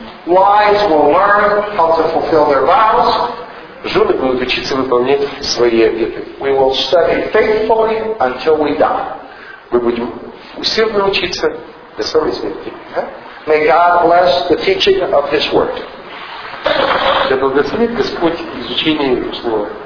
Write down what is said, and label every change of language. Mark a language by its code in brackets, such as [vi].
[en] Wives will learn how to fulfill their vows. [ru] Жены будут учиться выполнять свои обеты. [en] We will study faithfully until we die. [ru] Мы будем усердно учиться до самой смерти. [en] May God bless the teaching of His word. [ru] Да благословит Господь изучение Его слова.